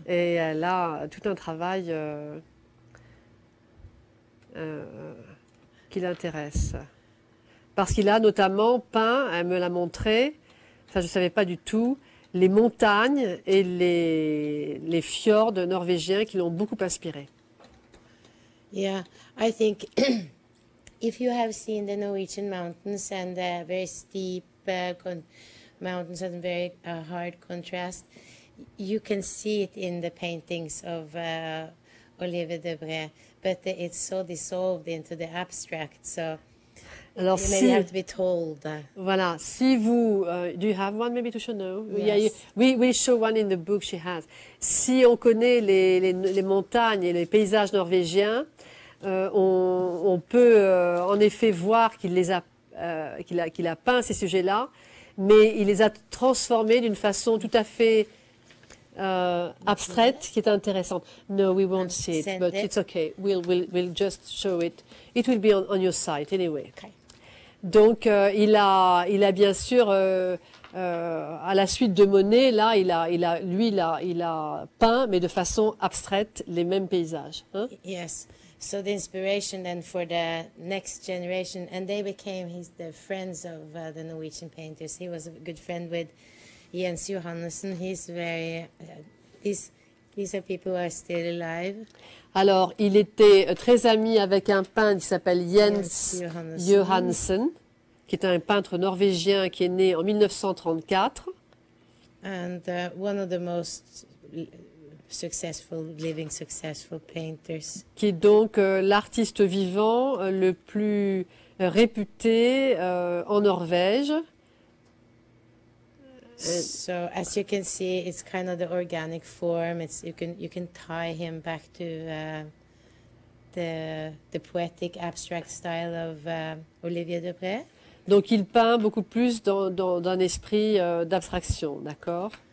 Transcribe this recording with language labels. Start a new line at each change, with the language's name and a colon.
French: Et elle a tout un travail qui l'intéresse. Parce qu'il a notamment peint, elle me l'a montré, ça je ne savais pas du tout, les montagnes et les fjords norvégiens qui l'ont beaucoup inspiré.
English: Yeah, I think... If you have seen the Norwegian mountains and the very steep mountains and very hard contrast, you can see it in the paintings of Olivier Debray, but it's so dissolved into the abstract, so
French: alors
English: you
French: si,
English: may have to be told.
French: Voilà, si vous,
English: do you have one maybe to show now? Yes. Yeah, we show one in the book she has.
French: Si on connaît les montagnes et les paysages norvégiens, on peut en effet voir qu'il a peint ces sujets-là, mais il les a transformés d'une façon tout à fait abstraite, qui est intéressante.
English: No, we won't see it, but it's okay. We'll just show it. It will be on your site anyway. Okay.
French: Donc il a bien sûr à la suite de Monet, là il a peint, mais de façon abstraite, les mêmes paysages. Hein? Yes.
English: So the inspiration then for the next generation, and they became the friends of the Norwegian painters. He was a good friend with Jens Johannessen. He's very, these are people who are still alive.
French: Alors, il était très ami avec un peintre qui s'appelle Jens Johannessen, qui est un peintre norvégien qui est né en 1934.
English: And one of the most... successful, living successful painters.
French: Qui est donc l'artiste vivant le plus réputé en Norvège.
English: So, as you can see, it's kind of the organic form. It's you can tie him back to the poetic abstract style of Olivier Debray.
French: Donc, il peint beaucoup plus dans un esprit d'abstraction, d'accord?